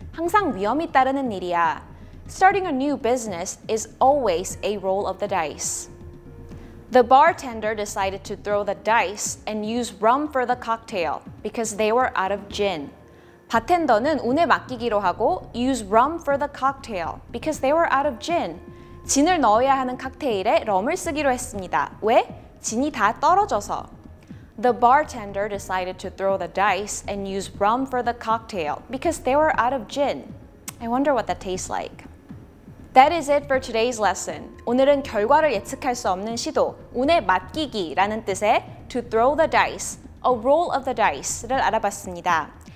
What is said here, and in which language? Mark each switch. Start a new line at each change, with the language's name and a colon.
Korean: 항상 위험이 따르는 일이야.
English: Starting a new business is always a roll of the dice. The bartender decided to throw the dice and use rum for the cocktail because they were out of gin.
Korean: 바텐더는 운에 맡기기로 하고
English: use rum for the cocktail because they were out of gin.
Korean: 진을 넣어야 하는 칵테일에 럼을 쓰기로 했습니다. 왜? 진이 다 떨어져서.
English: The bartender decided to throw the dice and use rum for the cocktail because they were out of gin. I wonder what that tastes like. That is it for today's lesson.
Korean: 오늘은 결과를 예측할 수 없는 시도, 운에 맡기기라는 뜻의
English: to throw the dice, a roll of the dice
Korean: 를 알아봤습니다.